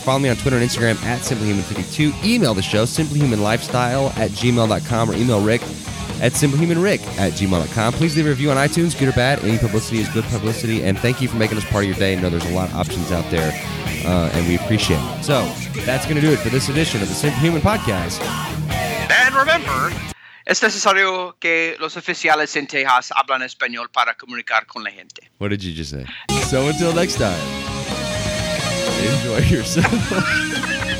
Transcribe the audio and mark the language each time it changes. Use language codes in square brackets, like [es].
[en] Follow me on Twitter and Instagram at simplyhuman52. Email the show, simplyhumanlifestyle@gmail.com, or email Rick at simplyhumanrick@gmail.com. Please leave a review on iTunes, good or bad. Any publicity is good publicity. And thank you for making us part of your day. I know there's a lot of options out there, and we appreciate it. So that's going to do it for this edition of the Simply Human Podcast. And remember, [es] es necesario que los oficiales en Texas hablan español para comunicar con la gente. [en] What did you just say? So until next time, enjoy yourself.